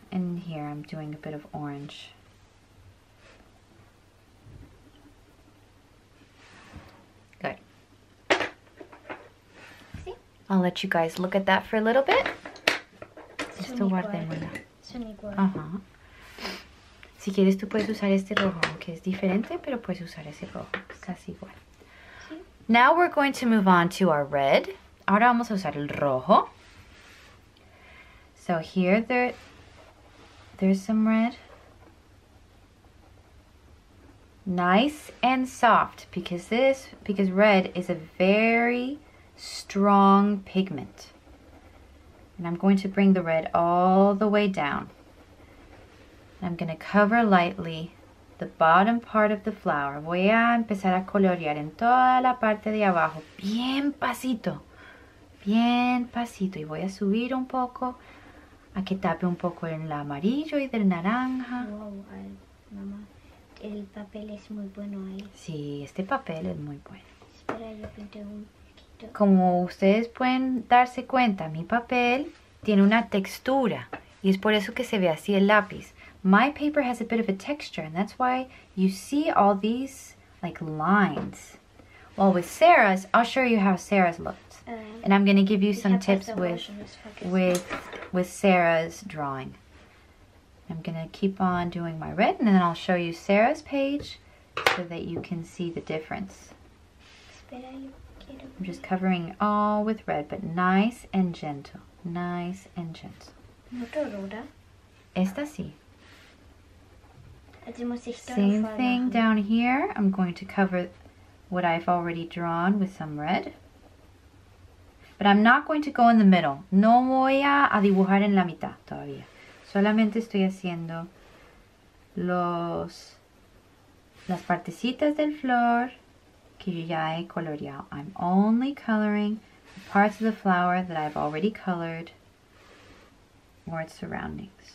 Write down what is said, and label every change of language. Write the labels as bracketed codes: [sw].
[en] And here I'm doing a bit of orange. Good. See? I'll let you guys look at that for a little bit. [es] Si quieres, tú puedes usar este rojo, que es diferente, pero puedes usar ese rojo. Es casi igual. [en] Now we're going to move on to our red. [es] Ahora vamos a usar el rojo. [en] So here there's some red. Nice and soft, because red is a very strong pigment. And I'm going to bring the red all the way down. And I'm going to cover lightly the bottom part of the flower. [es] Voy a empezar a colorear en toda la parte de abajo. Bien pasito. Bien pasito. Y voy a subir un poco. A que tape un poco el amarillo y del naranja. Wow, mamá. El papel es muy bueno ahí. Sí, este papel es muy bueno. Espera, yo pinté un poquito. Como ustedes pueden darse cuenta, mi papel tiene una textura. Y es por eso que se ve así el lápiz. [en] My paper has a bit of a texture, and that's why you see all these, like, lines. Well, with Sarah's, I'll show you how Sarah's looked. And I'm going to give you some tips with Sarah's drawing. I'm going to keep on doing my red, and then I'll show you Sarah's page so that you can see the difference. I'm just covering all with red, but nice and gentle. Nice and gentle. [es] Esta sí. [en] Same thing down here. I'm going to cover what I've already drawn with some red. But I'm not going to go in the middle. [es] No voy a dibujar en la mitad todavía. Solamente estoy haciendo las partecitas del flor que yo ya he coloreado. [en] I'm only coloring the parts of the flower that I've already colored or its surroundings.